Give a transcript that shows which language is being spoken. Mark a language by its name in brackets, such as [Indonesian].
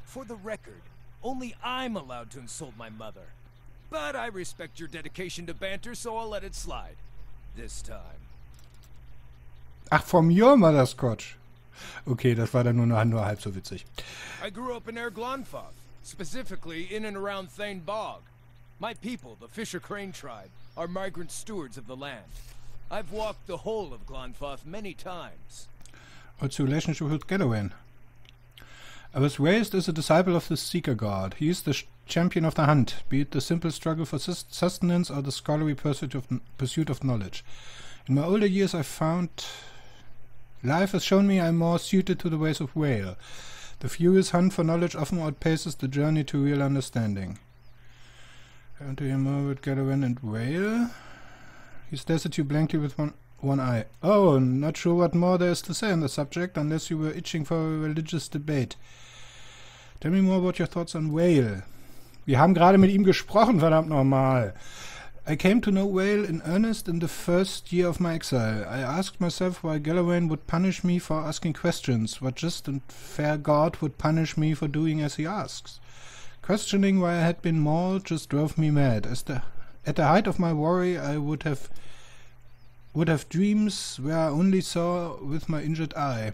[English] For the record, only I'm allowed to insult my mother. But I respect your dedication to banter, so I'll let it slide. This time. Ach, from your mother's crotch. [German] Okay, das war dann nur halb so witzig. [English] I grew up in Erglanfoth, specifically in and around Thane Bog. My people, the Fisher Crane tribe, are migrant stewards of the land. I've walked the whole of Glanfoth many times. What's your relationship with Galawain? I was raised as a disciple of the Seeker God. He is the champion of the hunt, be it the simple struggle for sustenance or the scholarly pursuit of knowledge. In my older years, I found life has shown me I'm more suited to the ways of Vale. The furious hunt for knowledge often outpaces the journey to real understanding. And to hear more about Galarin and Vale. He stares at you blankly with one eye. Oh, not sure what more there is to say on the subject, unless you were itching for a religious debate. Tell me more about your thoughts on Vale. [German] Wir haben gerade mit ihm gesprochen, verdammt nochmal. [English] I came to know Vale in earnest in the first year of my exile. I asked myself why Galarin would punish me for asking questions, what just and fair God would punish me for doing as he asks. Questioning why I had been mauled just drove me mad. At the height of my worry, I would have dreams where I only saw with my injured eye.